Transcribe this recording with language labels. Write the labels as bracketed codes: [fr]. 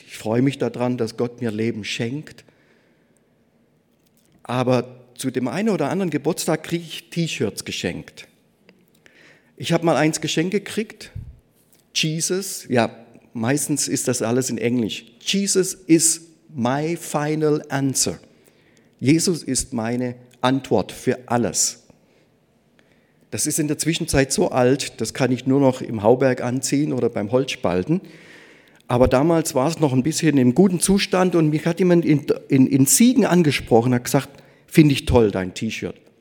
[de] Ich freue mich daran, dass Gott mir Leben schenkt. Aber zu dem einen oder anderen Geburtstag kriege ich T-Shirts geschenkt. Ich habe mal eins geschenkt gekriegt, Jesus, ja, meistens ist das alles in Englisch. [en] Jesus is my final answer. [de] Jesus ist meine Antwort für alles. Das ist in der Zwischenzeit so alt, das kann ich nur noch im Hauberg anziehen oder beim Holzspalten. Aber damals war es noch ein bisschen im guten Zustand und mich hat jemand in Siegen angesprochen, hat gesagt, finde ich toll, dein T-Shirt.